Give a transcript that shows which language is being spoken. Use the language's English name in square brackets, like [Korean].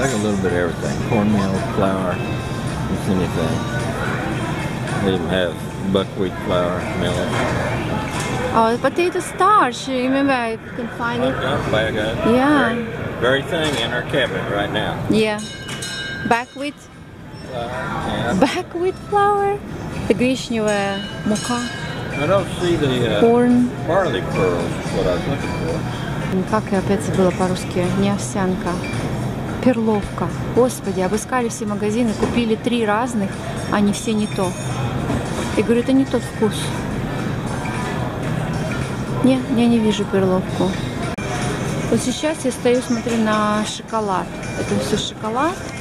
[English] Like a little bit of everything. Cornmeal, flour, just anything. They even have buckwheat flour, millet. Oh, potato starch. You remember I can find it? Bag of it. Yeah. Very thing in our cabinet right now. Yeah. Buckwheat. Buckwheat flour. [Russian] The гречневая мука. [English] I don't see the corn. Barley pearls is what I was looking for. [Russian] Как я опять забыла по-русски? Не овсянка. Перловка. Господи, обыскали все магазины, купили три разных, они все не то. И говорю, это не тот вкус. Не, я не вижу перловку. Вот сейчас я стою, смотрю на шоколад. Это все шоколад.